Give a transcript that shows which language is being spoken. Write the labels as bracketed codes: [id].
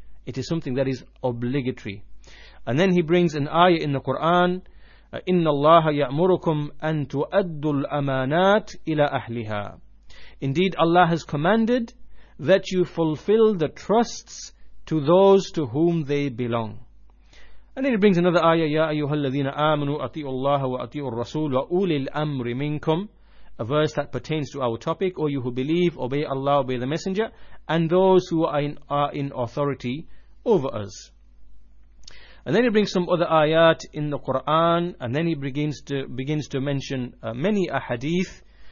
[en] It is something that is obligatory. And then he brings an ayah in the Quran, [ar] إِنَّ اللَّهَ يَأْمُرُكُمْ أَن تُؤَدُّوا الْأَمَانَاتِ إِلَىٰ أَهْلِهَا. [en] Indeed, Allah has commanded that you fulfill the trusts to those to whom they belong. And then he brings another ayah, [ar] يَا أَيُّهَا الَّذِينَ آمَنُوا أَطِيعُوا اللَّهَ وَأَطِيعُوا الرَّسُولَ وَأُولِي الْأَمْرِ مِنْكُمْ. [en] A verse that pertains to our topic, O you who believe, obey Allah, obey the Messenger, and those who are in authority over us. And then he brings some other ayat in the Quran, and then he begins to mention many ahadith.